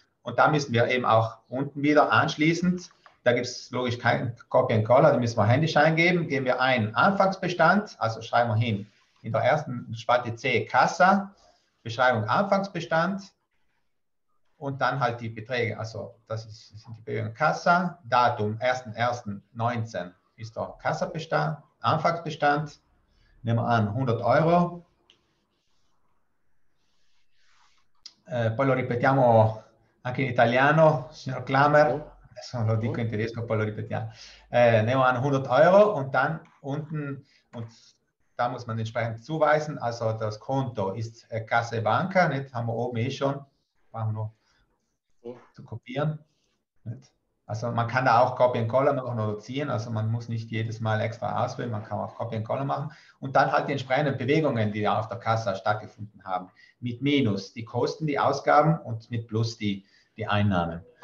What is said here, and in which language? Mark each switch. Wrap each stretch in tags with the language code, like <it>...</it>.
<de>Und da müssen wir eben auch unten wieder anschließend, da gibt es logisch keinen Copy and Caller, da müssen wir händisch eingeben, geben wir einen Anfangsbestand, also schreiben wir hin, in der ersten Spalte C, Kassa, Beschreibung Anfangsbestand und dann halt die Beträge, also das sind die Bewegungen Kassa, Datum 1.1.19 ist der Kassabestand, Anfangsbestand, nehmen wir an 100 Euro.</de> <it>Poi lo ripetiamo anche in italiano, signor Klammer. Adesso lo dico in tedesco, poi lo ripetiamo.</it> <de>Nehmen wir an 100 Euro und dann unten, und da muss man entsprechend zuweisen, also das Konto ist Kasse Banca, nicht? Haben wir oben schon, brauchen wir nur zu kopieren. Nicht? Also man kann da auch Copy and Caller noch notieren, also man muss nicht jedes Mal extra auswählen, man kann auch Copy and Caller machen und dann halt die entsprechenden Bewegungen, die ja auf der Kasse stattgefunden haben, mit Minus die Kosten, die Ausgaben und mit Plus die Einnahmen.</de>